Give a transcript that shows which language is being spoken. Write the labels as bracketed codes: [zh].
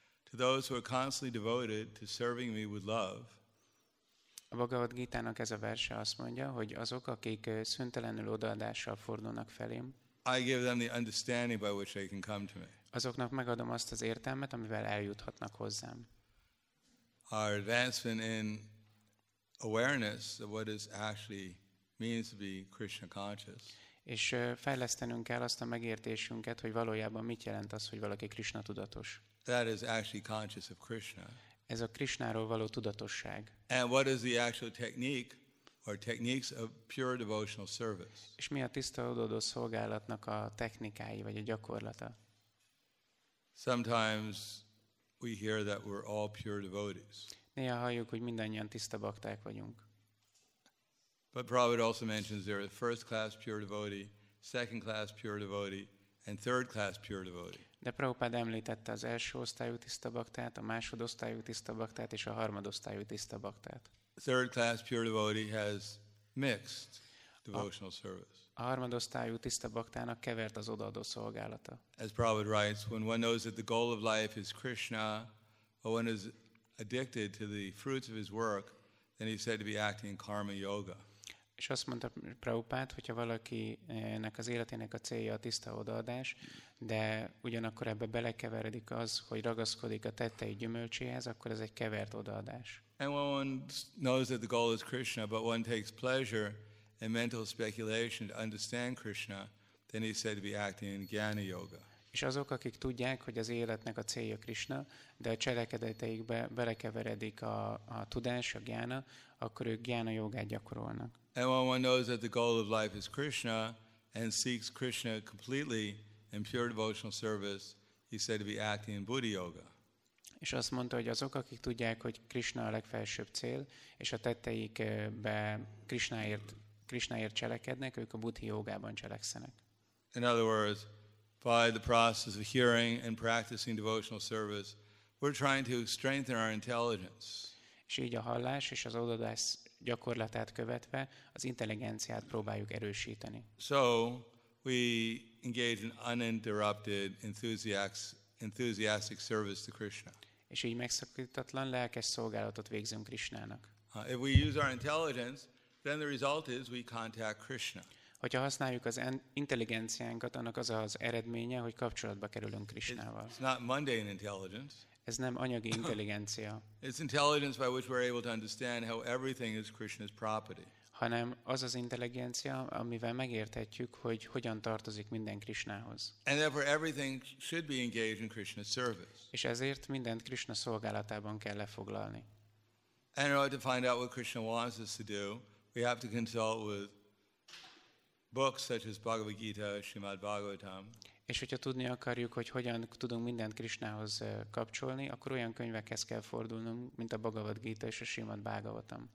[en] To those who are constantly devoted to serving me with love. [hu] A Bhagavad Gita-nak ez a verse azt mondja, hogy azok, akik szüntelenül odaadással fordulnak felém, [en] I give them the understanding by which they can come to me. [hu] Azoknak megadom azt az értelmet, amivel eljuthatnak hozzám. [en] Our advancement in awareness of what is actually means to be Krishna conscious. [hu] És fejlesztenünk kell azt a megértésünket, hogy valójában mit jelent az, hogy valaki Krishna tudatos. [en] That is actually conscious of Krishna. [hu] Ez a Krishnáról való tudatosság. [en] And what is the actual technique or techniques of pure devotional service? [hu] És mi a tiszta odaadó szolgálatnak a technikái vagy a gyakorlata? [en] Sometimes we hear that we're all pure devotees. [hu] Néha halljuk, hogy mindannyian tiszta bakták vagyunk. [en] But Prabhupada also mentions there are first class pure devotee, second class pure devotee, and third class pure devotee. [hu] De Prabhupada említette az első osztályú tiszta baktát, a másodosztályú tiszta baktát és a harmadosztályú tiszta baktát. [en] Third class pure devotee has mixed devotional service. [hu] A harmadosztályú tiszta baktának kevert az odaadó szolgálata. [en] As Prabhupada writes, when one knows that the goal of life is Krishna, or one is addicted to the fruits of his work, then he's said to be acting in karma yoga. [hu] És azt mondta Prabhupád, hogyha valakinek az életének a célja a tiszta odaadás, de ugyanakkor ebbe belekeveredik az, hogy ragaszkodik a tettei gyümölcséhez, akkor ez egy kevert odaadás. [en] And when one knows that the goal is Krishna, but one takes pleasure in mental speculation to understand Krishna, then he's said to be acting in jnana yoga. [hu] És azok, akik tudják, hogy az életnek a célja Krishna, de a cselekedeteikbe belekeveredik a tudás, a jnana, akkor ők jnana jogát gyakorolnak. [en] And when one knows that the goal of life is Krishna and seeks Krishna completely in pure devotional service, he's said to be acting in buddhi yoga. [hu] És azt mondta, hogy azok, akik tudják, hogy Krishna a legfelsőbb cél, és a tetteikbe Krishnáért cselekednek, ők a buddhi jogában cselekszenek. [en] In other words, by the process of hearing and practicing devotional service, we're trying to strengthen our intelligence. [hu] És így a hallás és az odaadás gyakorlatát követve az intelligenciát próbáljuk erősíteni. [en] So we engage in uninterrupted enthusiastic service to Krishna. [hu] És így megszakítatlan lelkes szolgálatot végzünk Krishnának. [en] If we use our intelligence, then the result is we contact Krishna. [hu] Hogyha használjuk az intelligenciánkat, annak az az eredménye, hogy kapcsolatba kerülünk Krishnával. [en] It's not mundane intelligence. [hu] Ez nem anyagi intelligencia. [en] It's intelligence by which we're able to understand how everything is Krishna's property. [hu] Hanem az az intelligencia, amivel megérthetjük, hogy hogyan tartozik minden Krishnához. [en] And therefore everything should be engaged in Krishna's service. [hu] És ezért mindent Krishna szolgálatában kell lefoglalni. [en] And in order to find out what Krishna wants us to do, we have to consult with books such as Bhagavad Gita, Srimad Bhagavatam. [hu] És hogyha tudni akarjuk, hogy hogyan tudunk mindent Krishnához kapcsolni, akkor olyan könyvekhez kell fordulnunk, mint a Bhagavad Gita és a Srimad Bhagavatam.